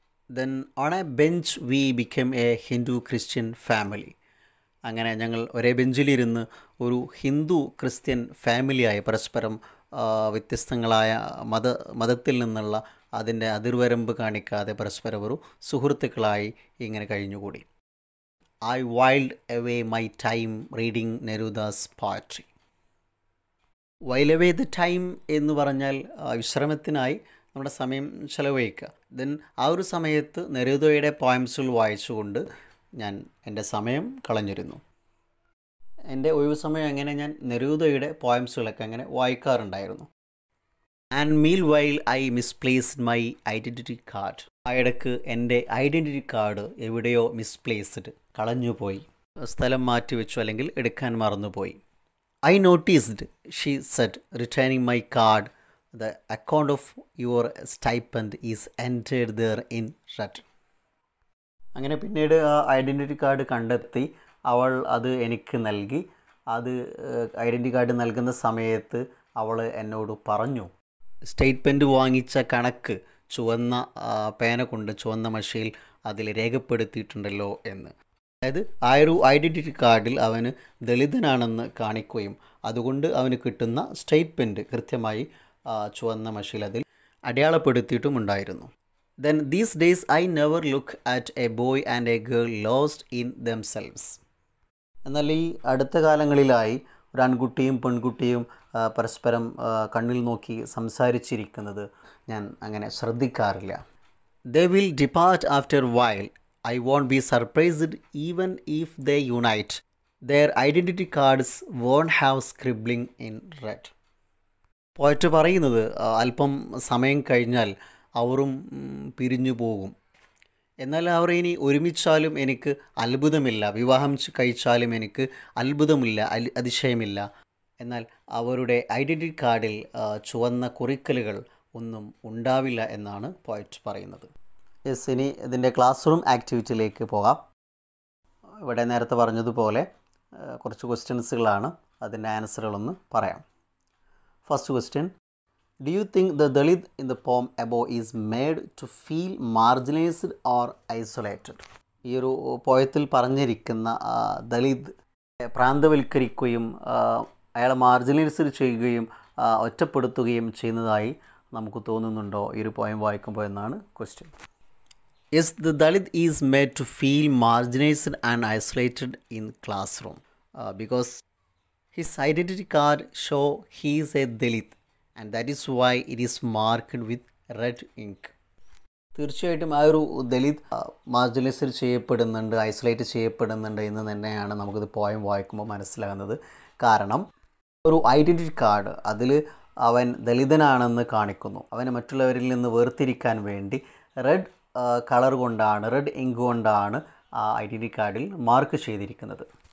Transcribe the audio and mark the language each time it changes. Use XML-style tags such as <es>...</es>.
<en>Then on a bench we become a Hindu Christian family.</en> <ml>അങ്ങനെ ഞങ്ങൾ ഒരേ ബെഞ്ചിലിരുന്ന് ഒരു ഹിന്ദു ക്രിസ്ത്യൻ ഫാമിലിയായി, പരസ്പരം വ്യത്യസ്തങ്ങളായ മതത്തിൽ നിന്നുള്ള അതിൻ്റെ അതിർവരമ്പ് കാണിക്കാതെ പരസ്പരം ഒരു സുഹൃത്തുക്കളായി ഇങ്ങനെ കഴിഞ്ഞുകൂടി.</ml> <en>I whiled away my time reading Neruda's poetry. While away the time</en> <ml>എന്ന് പറഞ്ഞാൽ വിശ്രമത്തിനായി നമ്മുടെ സമയം ചെലവഴിക്കുക. ദെൻ ആ ഒരു സമയത്ത് നെരുദോയുടെ പോയംസുകൾ വായിച്ചുകൊണ്ട് ഞാൻ എൻ്റെ സമയം കളഞ്ഞിരുന്നു. എൻ്റെ ഒഴിവു സമയം അങ്ങനെ ഞാൻ നെരുദോയുടെ പോയംസുകളൊക്കെ അങ്ങനെ വായിക്കാറുണ്ടായിരുന്നു.</ml> <en>And meanwhile I misplaced my identity card.</en> <ml>ആ ഇടയ്ക്ക് എൻ്റെ ഐഡൻറ്റിറ്റി കാർഡ് എവിടെയോ മിസ്പ്ലേസ്ഡ് കളഞ്ഞുപോയി, സ്ഥലം മാറ്റിവെച്ചു അല്ലെങ്കിൽ എടുക്കാൻ മറന്നുപോയി.</ml> <en>I noticed, she said, returning my card, the account of your stipend is entered there in red.</en> <ml>അങ്ങനെ പിന്നീട് ആ ഐഡൻറ്റിറ്റി കാർഡ് കണ്ടെത്തി, അവൾ അത് എനിക്ക് നൽകി. അത് ഐഡൻറ്റിറ്റി കാർഡ് നൽകുന്ന സമയത്ത് അവൾ എന്നോട് പറഞ്ഞു, സ്റ്റേറ്റ്മെൻറ്റ് വാങ്ങിച്ച കണക്ക് ചുവന്ന പേന കൊണ്ട് ചുവന്ന മഷിയിൽ അതിൽ രേഖപ്പെടുത്തിയിട്ടുണ്ടല്ലോ എന്ന്. അതായത് ആ ഒരു ഐഡൻറ്റിറ്റി കാർഡിൽ അവന് ദളിതനാണെന്ന് കാണിക്കുകയും അതുകൊണ്ട് അവന് കിട്ടുന്ന സ്റ്റേറ്റ്മെൻറ്റ് കൃത്യമായി ചുവന്ന മഷിയിൽ അതിൽ അടയാളപ്പെടുത്തിയിട്ടും ഉണ്ടായിരുന്നു.</ml> <en>Then these days I never look at a boy and a girl lost in themselves.</en> <ml>എന്നാൽ ഈ അടുത്ത കാലങ്ങളിലായി ഒരു ആൺകുട്ടിയും പെൺകുട്ടിയും പരസ്പരം കണ്ണിൽ നോക്കി സംസാരിച്ചിരിക്കുന്നത് ഞാൻ അങ്ങനെ ശ്രദ്ധിക്കാറില്ല.</ml> <en>They will depart after while. I won't be surprised even if they unite. Their identity cards won't have scribbling in red.</en> <ml>Poet പറയുന്നത് അല്പം സമയം കഴിഞ്ഞാൽ അവരും പിരിഞ്ഞു പോകും, എന്നാൽ അവർ ഇനി ഒരുമിച്ചാലും എനിക്ക് അത്ഭുതമില്ല, വിവാഹം കഴിച്ചാലും എനിക്ക് അത്ഭുതമില്ല, അതിശയമില്ല. എന്നാൽ അവരുടെ ഐഡൻറ്റിറ്റി കാർഡിൽ ചുവന്ന കുറിക്കലുകൾ ഒന്നും ഉണ്ടാവില്ല എന്നാണ് പോയറ്റ് പറയുന്നത്. യെസ്, ഇനി ഇതിൻ്റെ ക്ലാസ് റൂം ആക്ടിവിറ്റിയിലേക്ക് പോകാം. ഇവിടെ നേരത്തെ പറഞ്ഞതുപോലെ കുറച്ച് ക്വസ്റ്റ്യൻസുകളാണ്, അതിൻ്റെ ആൻസറുകളൊന്ന് പറയാം.</ml> <en>First question, do you think the Dalit in the poem above is made to feel marginalised or isolated?</en> <ml>ഈ ഒരു പോയത്തിൽ പറഞ്ഞിരിക്കുന്ന ദളിത് പ്രാന്തവൽക്കരിക്കുകയും അയാളെ മാർജിനൈസ്ഡ് ചെയ്യുകയും ഒറ്റപ്പെടുത്തുകയും ചെയ്യുന്നതായി നമുക്ക് തോന്നുന്നുണ്ടോ ഈ ഒരു പോയം വായിക്കുമ്പോൾ എന്നാണ് question.</ml> <en>Yes, the Dalit is made to feel marginalized and isolated in classroom because his identity card show he is a Dalit, and that is why it is marked with red ink.</en> <ml>തീർച്ചയായിട്ടും ആ ഒരു ദളിത് മാർജിനൈസ്ഡ് ചെയ്യപ്പെടുന്നുണ്ട്, isolate ചെയ്യപ്പെടുന്നുണ്ട് എന്ന് തന്നെയാണ് നമുക്കിത് poem വായിക്കുമ്പോൾ മനസ്സിലാകുന്നത്. കാരണം ഒരു ഐഡൻറ്റിറ്റി കാർഡ്, അതിൽ അവൻ ദളിതനാണെന്ന് കാണിക്കുന്നു, അവനെ മറ്റുള്ളവരിൽ നിന്ന് വേർതിരിക്കാൻ വേണ്ടി റെഡ് കളർ കൊണ്ടാണ്, റെഡ് ഇങ്ക് കൊണ്ടാണ് ആ ഐഡൻറ്റിറ്റി കാർഡിൽ മാർക്ക് ചെയ്തിരിക്കുന്നത്.</ml>